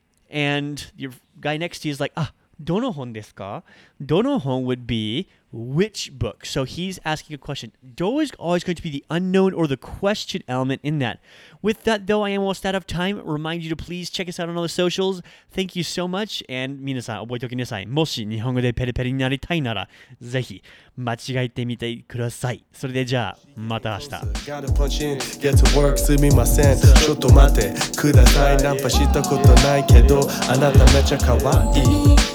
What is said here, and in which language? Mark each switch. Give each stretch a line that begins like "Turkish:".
English: And your guy next to you is like, ah,
Japanese: dono hon desu ka?
English: Dono hon would be which book. So he's asking a question. Do is always going to be the unknown or the question element in that. With that, though, I am almost out of time. Remind you to please check us out on all the socials. Thank you so much.
Japanese: And 皆さん、覚えておきなさい。もし日本語でペリペリになりたいなら、ぜひ間違えてみてください。それでじゃあ、また明日。
English: Gotta punch in, get to work, すみません。
Japanese: ちょっと待ってください。ナンパしたことないけど、あなためちゃ可愛い。